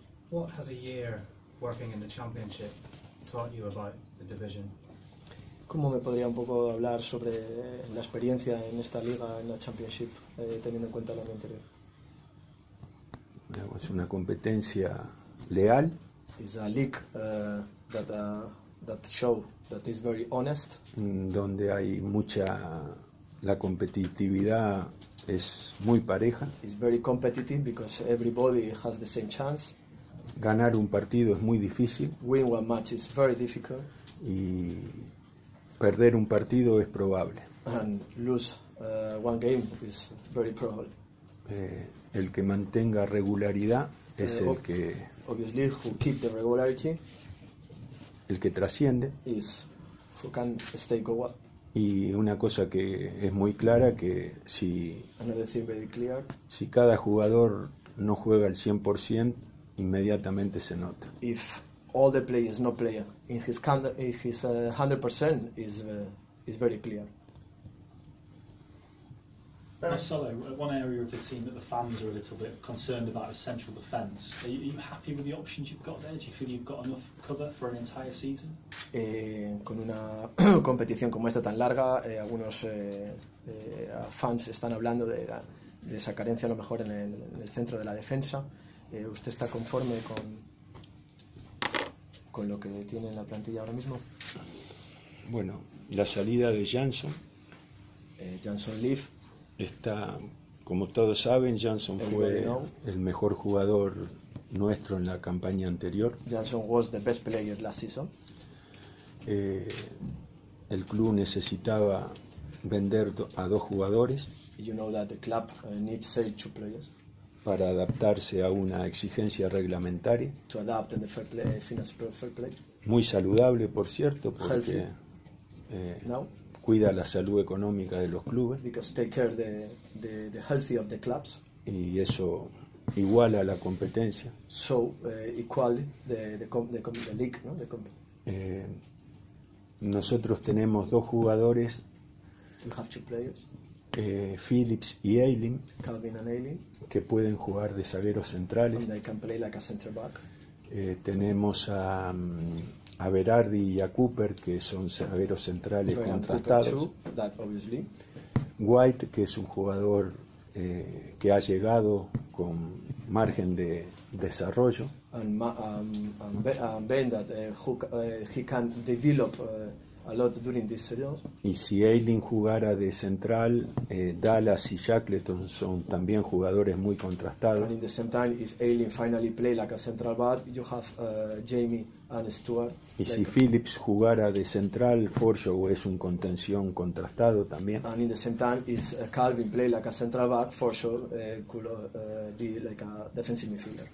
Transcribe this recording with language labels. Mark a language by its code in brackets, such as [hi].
[en] What has a year working in the championship taught you about the division? [es] ¿Cómo me podría un poco hablar sobre la experiencia en esta liga, en la championship, teniendo en cuenta la de anterior? Es una competencia leal. [en] It's a league that show that is very honest. [es] Donde hay mucha la competitividad es muy pareja. [en] It's very competitive because everybody has the same chance. [es] Ganar un partido es muy difícil. [en] Win one match is very difficult. [es] Y perder un partido es probable. [en] And lose one game is very probable. [es] El que mantenga regularidad es el que [en] obviously who keep the regularity. [es] El que trasciende [en] is who can stay go up. [es] Y una cosa que es muy clara que si [en] another thing very clear, [es] si cada jugador no juega al 100%, inmediatamente se nota. [en] If all the players no play in his 100% is very clear. Solo, one area of the team that the fans are a little bit concerned about is central defense. Are you happy with the options you've got there? Do you feel you've got enough cover for an entire season? [es] Con una competición como esta tan larga, algunos fans están hablando de esa carencia a lo mejor en el centro de la defensa. ¿Usted está conforme con lo que tiene en la plantilla ahora mismo? Bueno, la salida de Jansson. [en] Jansson Leaf. [es] Está, como todos saben, Jansson fue el mejor jugador nuestro en la campaña anterior. [en] Jansson was the best player last season. [es] El club necesitaba vender a dos jugadores. [en] You know that the club needs sell two players. [es] Para adaptarse a una exigencia reglamentaria. [en] To adapt the fair play, financial fair play. [es] Muy saludable, por cierto, porque cuida la salud económica de los clubes. [en] Because take care the healthy of the clubs. [es] Y eso iguala la competencia. [en] So equal the league, no? The competition. [es] Nosotros tenemos dos jugadores. [en] We have two players. [es] Phillips y Aileen, [en] Calvin and Aileen, [es] que pueden jugar de zagueros centrales. [en] And they can play like a center back. [es] Tenemos a Berardi y a Cooper, que son zagueros centrales [en] Brian [es] contrastados. [en] Too, that obviously. [es] White, que es un jugador que ha llegado con margen de desarrollo. [en] And Ben, that he can develop a lot during these seasons. [es] Y si Ayling jugara de central, Dallas y Shackleton son también jugadores muy contrastados. [en] And in the same time, if Ayling finally play like a central bat, you have Jamie and Stewart. [es] Y [en] like [es] si Phillips jugara de central, Forshaw es un contención contrastado también. [en] And in the same time, if Calvin play like a central bat, Forshaw could be like a defensive midfielder.